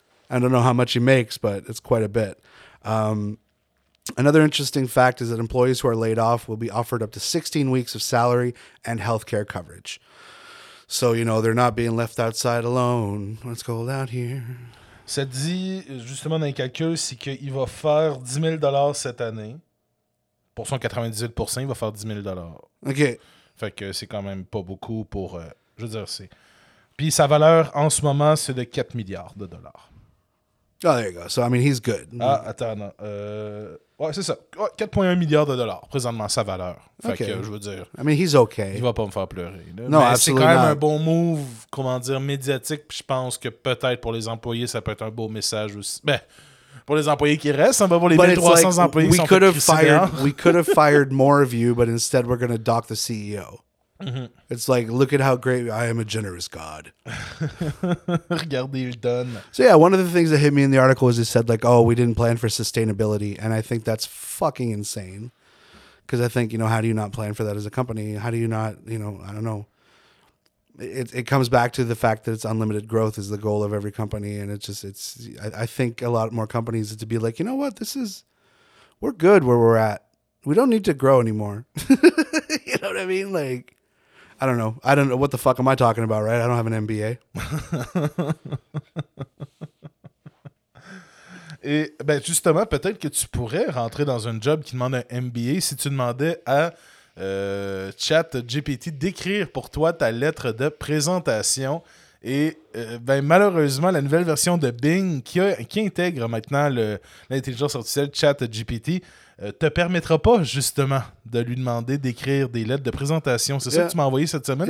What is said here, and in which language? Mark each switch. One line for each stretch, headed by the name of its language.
English: I don't know how much he makes, but it's quite a bit. Another interesting fact is that employees who are laid off will be offered up to 16 weeks of salary and healthcare coverage. So, you know, they're not being left outside alone. Let's go out here.
French: Ça dit, justement, dans les calculs, c'est qu'il va faire 10 000 $ cette année. Pour son 98%, il va faire 10 000 $
English: OK.
French: Fait que c'est quand même pas beaucoup pour... je veux dire, c'est... Puis sa valeur en ce moment, c'est de 4 milliards de dollars.
English: Oh, there you go. So, I mean, he's good.
French: Ah, attends, non. Ouais, c'est ça. 4,1 milliards de dollars, présentement, sa valeur. Fait que, je veux dire...
English: I mean, he's okay.
French: Il va pas me faire pleurer. Non, absolument. C'est quand même
English: not.
French: Un bon move, comment dire, médiatique. Puis je pense que peut-être pour les employés, ça peut être un beau message aussi. Ben... Pour les employés qui restent, pour les 1300 employés qui sont
English: fired, we could have fired more of you, but instead we're going to dock the CEO. Mm-hmm. It's like, look at how great, I am a generous God.
French: Regardez, il donne.
English: So yeah, one of the things that hit me in the article is it said like, oh, we didn't plan for sustainability. And I think that's fucking insane. Because I think, you know, how do you not plan for that as a company? How do you not, you know, I don't know. it comes back to the fact that it's unlimited growth is the goal of every company. And it's just, it's, I think a lot more companies to be like, you know what, this is, we're good where we're at. We don't need to grow anymore. You know what I mean? Like, I don't know. I don't know. What the fuck am I talking about, right? I don't have an MBA.
French: Et ben justement, peut-être que tu pourrais rentrer dans un job qui demande un MBA si tu demandais à ChatGPT d'écrire pour toi ta lettre de présentation. Et ben malheureusement, la nouvelle version de Bing qui intègre maintenant l'intelligence artificielle ChatGPT te permettra pas justement de lui demander d'écrire des lettres de présentation. C'est ça que tu m'as envoyé cette semaine.